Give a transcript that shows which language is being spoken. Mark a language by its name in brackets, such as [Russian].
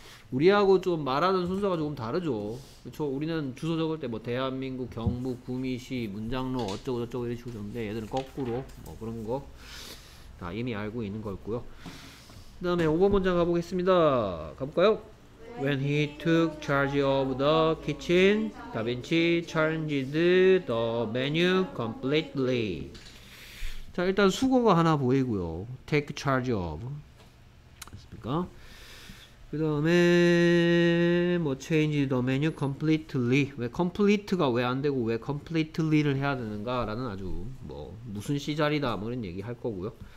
[Korean] 우리하고 좀 말하는 순서가 조금 다르죠. 그렇죠? 우리는 주소 적을 때 뭐 대한민국, 경북, 구미시, 문장로 어쩌고 저쩌고 이런 식으로 적는데 얘들은 거꾸로 뭐 그런 거 다 이미 알고 있는 거였고요. 그 다음에 5번 문장 가보겠습니다. 가볼까요? [English] Where When he took charge of the kitchen, Da Vinci changed the menu completely. [Korean] 자, 일단 수거가 하나 보이고요. [English] Take charge of. [Korean] 됐습니까? 그 다음에 뭐 [English] change the menu completely. [Korean] 왜 complete가 왜 안 되고 왜 completely를 해야 되는가라는 아주 뭐 무슨 시절이다 뭐 이런 얘기 할 거고요.